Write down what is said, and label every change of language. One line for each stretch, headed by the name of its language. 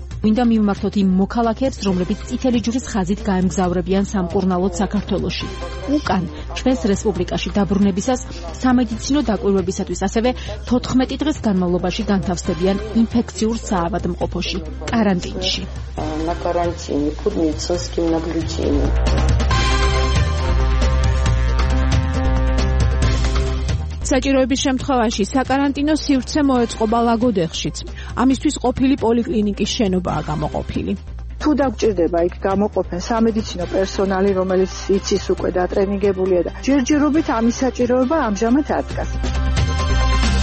Georgian: Минда მიმართოთ იმ მოქალაქეებს, რომლებიც წითელი ჯვრის ხაზით გაემგზავრებიან სამკურნალოდ საქართველოში. უკან, ჩვენს რესპუბლიკაში დაბრუნებისას, სამედიცინო დაკვირვებისათვის ასევე 14 დღის განმავლობაში განთავსდებიან ინფექციურ საავადმყოფოში, каранტინში.
Russian: На карантине под медицинским наблюдением.
Georgian: საჭიროების შემთხვევაში საკარანტინო სივრცე მოეწყობა ლაგოდეხშიც. ამისთვის ყოფილი პოლიკლინიკის შენობაა გამოყოფილი. თუ დაგჭირდება იქ გამოყოფენ სამედიცინო პერსონალი, რომელიც იცის უკვე და ტრენინგებულია და ჯერჯერობით ამის საჭიროება ამჟამად არდგას.